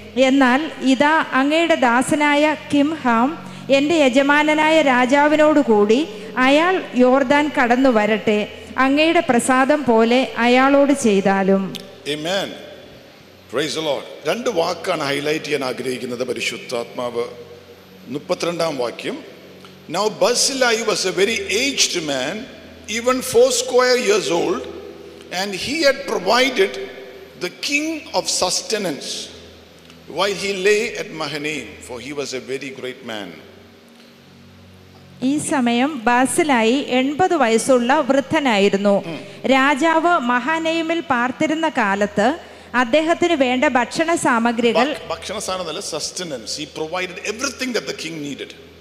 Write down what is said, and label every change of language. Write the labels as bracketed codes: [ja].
[ml] എന്നാൽ ഇതാ അങ്ങയുടെ ദാസനായ കിംഹാം എൻ്റെ യജമാനനായ രാജാവിനോടുകൂടി അയാൾ യോർദാൻ കടന്നു വരട്ടെ, അങ്ങയുടെ പ്രസാദം പോലെ അയാളോട് ചെയ്താലും. [en] ആമേൻ. Praise the Lord. [ml] രണ്ട് വാക്കാണ് ഹൈലൈറ്റ് ചെയ്യാൻ ആഗ്രഹിക്കുന്നത് പരിശുദ്ധാത്മാവ്. 32 വാക്യം. [en] Now Barzillai was a very aged man, even 80 years old, and he had provided the king of sustenance while he lay at Mahanaim, for he was a very great man. [ml] ഈ സമയം ബാസിലായി 80 വയസ്സുള്ള വൃദ്ധനായിരുന്നു. രാജാവ് മഹാനൈമിൽ പാർത്തിരുന്ന കാലത്ത് അദ്ദേഹത്തിന് വേണ്ട ഭക്ഷണ സാമഗ്രികൾ, ഭക്ഷണ സാധനമല്ല, [en] Sustenance, he provided everything that the king needed.